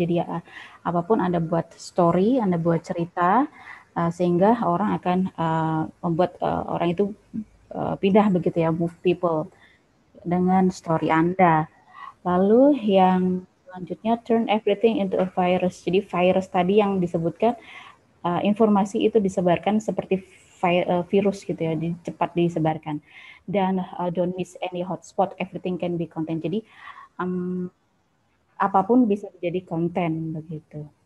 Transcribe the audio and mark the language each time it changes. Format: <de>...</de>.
<id>Jadi apapun Anda buat story, Anda buat cerita sehingga orang akan membuat orang itu pindah begitu ya,</id> <en>move people</en> <id>dengan story Anda. Lalu yang selanjutnya</id> <en>turn everything into a virus.</en> <id>Jadi virus tadi yang disebutkan informasi itu disebarkan seperti virus gitu ya, cepat disebarkan. Dan</id> <en>don't miss any hotspot, everything can be content.</en> <id>Jadi apapun bisa menjadi konten begitu.</id>